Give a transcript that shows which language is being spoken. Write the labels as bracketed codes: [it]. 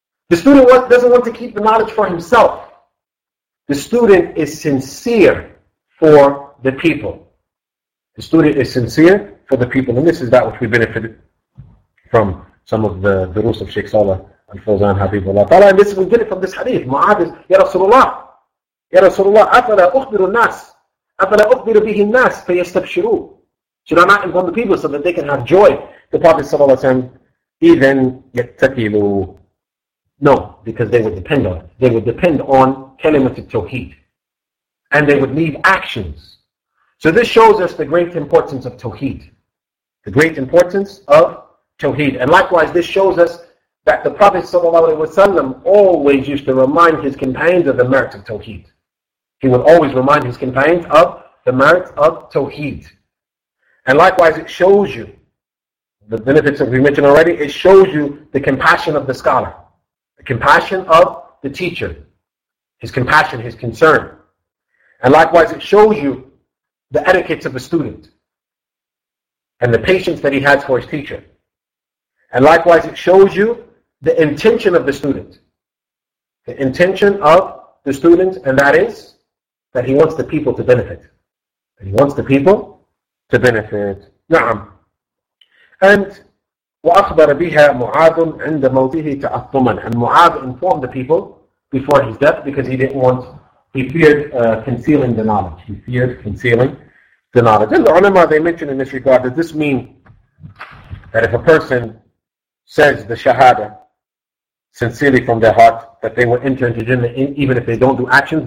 [en] The student doesn't want to keep the knowledge for himself. The student is sincere for the people. The student is sincere for the people. And this is that which we benefited from some of the rules of Sheikh Salih Al-Fawzan, Habib Allah Ta'ala. And this is, we get it from this hadith. Mu'adh is, Ya Rasulullah. [ar] Ya Rasulullah, أَفَلَا أُخْبِرُ النَّاسِ أَفَلَا أُخْبِرُ بِهِ النَّاسِ فَيَسْتَبْشِرُوا. [en] Should I not inform the people so that they can have joy? The Prophet [ar] صلى الله عليه وسلم, إِذَنْ يَتَّكِلُوا. [en] No, because they would depend on it. They would depend on kalimat al-tawheed. And they would need actions. So this shows us the great importance of tawheed. The great importance of tawheed. And likewise, this shows us that the Prophet صلى الله عليه وسلم always used to remind his companions of the merits of tawheed. He would always remind his companions of the merits of Tawheed. And likewise, it shows you the benefits that we mentioned already, it shows you the compassion of the scholar, the compassion of the teacher, his compassion, his concern. And likewise, it shows you the etiquettes of a student and the patience that he has for his teacher. And likewise, it shows you the intention of the student. The intention of the student, and that is that he wants the people to benefit. That he wants the people to benefit. [ar] نعم. And وأخبر بها معاذ عند موته تأثما. [en] And Mu'adh informed the people before his death because he didn't want, he feared concealing the knowledge. He feared concealing the knowledge. And the ulama, they mentioned in this regard, does this mean that if a person says the shahada sincerely from their heart, that they will enter into Jannah even if they don't do actions?